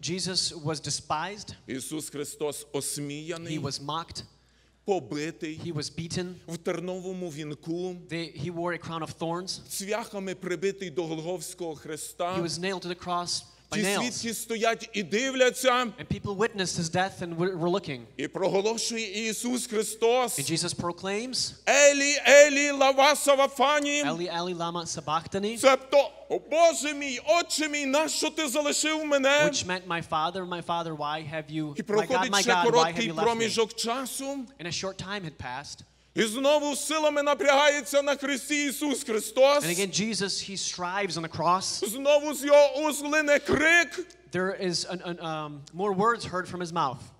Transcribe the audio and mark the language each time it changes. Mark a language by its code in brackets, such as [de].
[en] Jesus was despised. [uk] Ісус Христос осміяний. [en] He was mocked. [uk] Побитий. [en] He was beaten. [uk] В терновому вінку. [en] He wore a crown of thorns. [uk] Цвяхами прибитий до Голгофського Христа. [en] He was nailed to the cross by nails. [uk] Ті свідки стоять і дивляться. [en] And people witnessed his death and were looking. [uk] І проголошує Ісус Христос. [en] And Jesus proclaims. [arc] Елі, Елі, лама сабахтані. Елі, Елі, лама сабахтані. [uk] Цебто, о Боже мій, Отче мій, нащо ти залишив мене? [en] Which meant, my Father, why have you, my God, [uk] І проходить ще короткий проміжок часу. [en] And a short time had passed. [uk] І знову силами напрягається на хресті Ісус Христос. [en] And again, Jesus, he strives on the cross. [uk] Знову з його уст лине крик. [en] There is more words heard from his mouth.